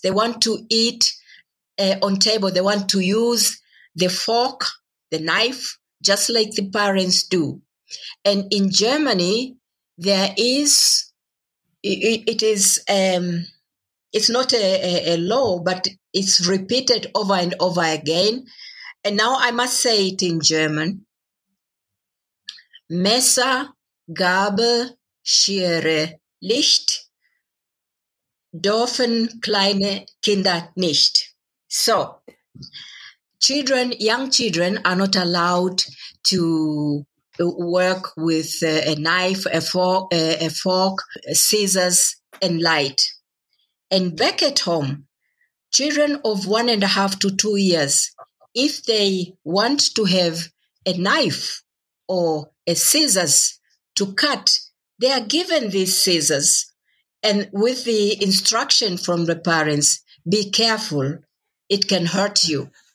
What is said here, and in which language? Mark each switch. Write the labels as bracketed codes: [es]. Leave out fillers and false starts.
[en] They want to eat on table. They want to use the fork, the knife, just like the parents do. And in Germany, there is, it's not a law, but it's repeated over and over again. And now I must say it in German. [de] Messer, Gabel, Schere, Licht dürfen kleine Kinder nicht. [en] So, children, young children are not allowed to work with a knife, a fork, scissors, and light. And back at home, children of 1.5 to 2 years, if they want to have a knife or a scissors to cut, they are given these scissors and with the instruction from the parents, be careful, it can hurt you.